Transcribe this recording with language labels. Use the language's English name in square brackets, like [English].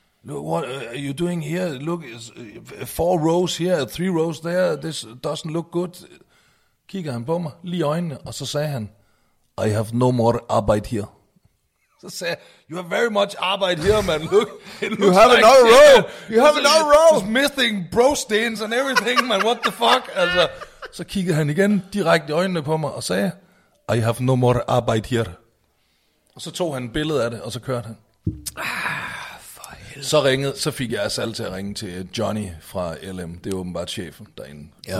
[English] Look, what are you doing here? Look, four rows here, three rows there, this doesn't look good. [Danish] Kigger han på mig, lige øjnene, og så sagde han, [English] I have no more arbejde here. [Danish] Så sagde jeg, [English] you have very much arbejde here, man. Look, you have like another row. You have another row. Just missing bro stains and everything, man. What the fuck? [Danish] Altså, så kiggede han igen direkte i øjnene på mig og sagde, [English] I have no more arbejde here. [Danish] Og så tog han et billede af det, og så kørte han. Ah, for helvede. Så ringede, så fik jeg Asal til at ringe til Johnny fra LM. Det er åbenbart chefen derinde. Ja.